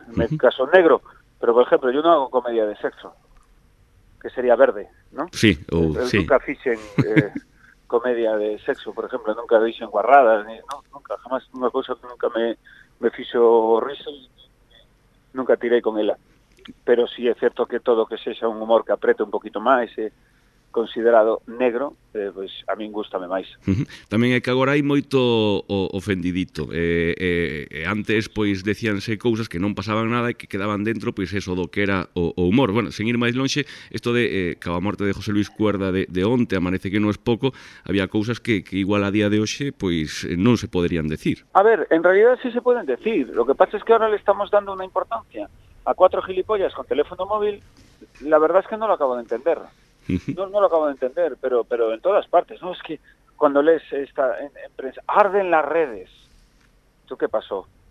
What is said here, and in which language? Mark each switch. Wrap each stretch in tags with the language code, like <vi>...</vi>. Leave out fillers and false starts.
<es>En el caso negro, pero, por ejemplo, yo</es> <gl>non</gl> <es>hago comedia de sexo, que sería verde, ¿no? Sí, sí.</es> <gl>Nunca fixen... comedia de sexo, por ejemplo, nunca dixen guarradas, ni, no, nunca, jamás, unha cousa que nunca me me fixo o riso, nunca tirei con ela. Pero si sí, é certo que todo que sexa un humor que aprete un poquito máis, considerado negro, pues a min gustame máis. Tamén é que agora hai moito ofendidito. Antes pois decíanse cousas que non pasaban nada e que quedaban dentro pois eso do que era o humor. Bueno, sen ir máis lonxe, isto de cada morte de José Luis Cuerda de onte, amanece que non é pouco, había cousas que igual a día de hoxe pois non se poderían decir. A ver, en realidad sí se poden decir.</gl> <es>Lo que pasa es que ahora le estamos dando una importancia a cuatro gilipollas con teléfono móvil. La verdad es que no lo acabo de entender. No lo acabo de entender, pero en todas partes, ¿no? Es que cuando lees esta en prensa, arden las redes. ¿Tú qué pasó?</es>